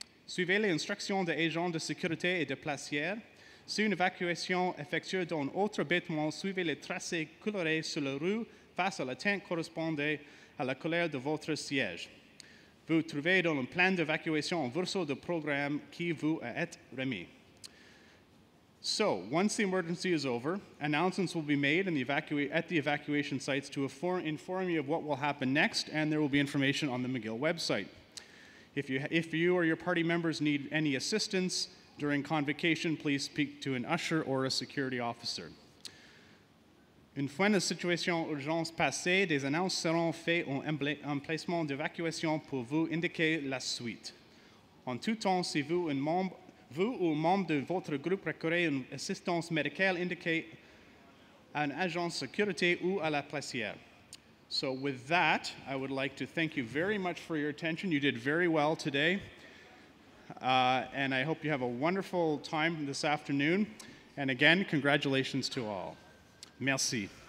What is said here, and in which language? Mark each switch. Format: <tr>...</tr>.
<fr>Suivez les instructions des agents de sécurité et de placière. Si une évacuation effectuée dans un autre bâtiment, suivez les tracés colorés sur la rue face à la tente correspondant à la couleur de votre siège. Vous trouvez dans un plan d'évacuation un verso de programme qui vous a été remis.</fr> <en>So, once the emergency is over, announcements will be made in the at the evacuation sites to inform you of what will happen next, and there will be information on the McGill website. If you or your party members need any assistance during convocation, please speak to an usher or a security officer.</en> <fr>Une fois la situation urgence passée, des annonces seront faites en emplacement d'évacuation pour vous indiquer la suite. En tout temps, si vous ou un membre de votre groupe requérez une assistance médicale, indiquez à un agent de sécurité ou à la placière.</fr> <en>So with that, I would like to thank you very much for your attention. You did very well today. And I hope you have a wonderful time this afternoon. And again, congratulations to all. Merci.</en>